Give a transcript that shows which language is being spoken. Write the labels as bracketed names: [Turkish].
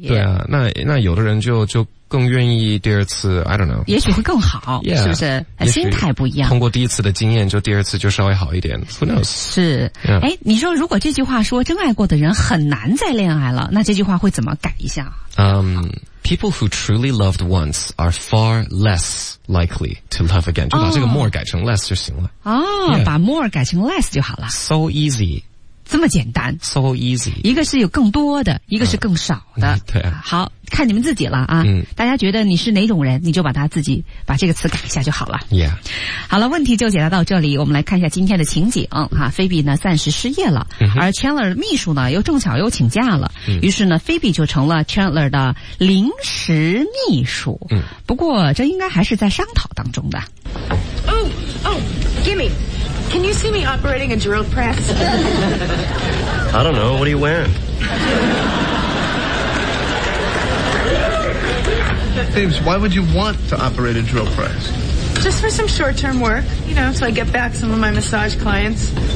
[Chinese] 对啊。那有的人就更愿意第二次 [English] I don't know [Chinese] 也许会更好 yeah, 是不是心态不一样通过第一次的经验就第二次就稍微好一点 [English] Who knows 是、 yeah. [Chinese] 你说如果这句话说真爱过的人很难再恋爱了那这句话会怎么改一下、 [English] People who truly loved once are far less likely to love again [Chinese] 就把这个 more 改成 less 就行了、 yeah. 把 more 改成 less 就好了 [English] So easy [Chinese] 这么简单 [English] ，so easy。 [Chinese] 一个是有更多的，一个是更少的。对、啊，好看你们自己了啊。嗯，大家觉得你是哪种人，你就把他自己把这个词改一下就好了。 Yeah。好了，问题就解答到这里。我们来看一下今天的情景哈。菲比呢暂时失业了，而 Chandler 秘书呢又正巧又请假了，于是呢菲比就成了 Chandler 的临时秘书。嗯，不过这应该还是在商讨当中的。 [English] Oh, gimme. Can you see me operating a drill press? I don't know. What are you wearing? James, why would you want to operate a drill press? Just for some short-term work, you know, so I get back some of my massage clients.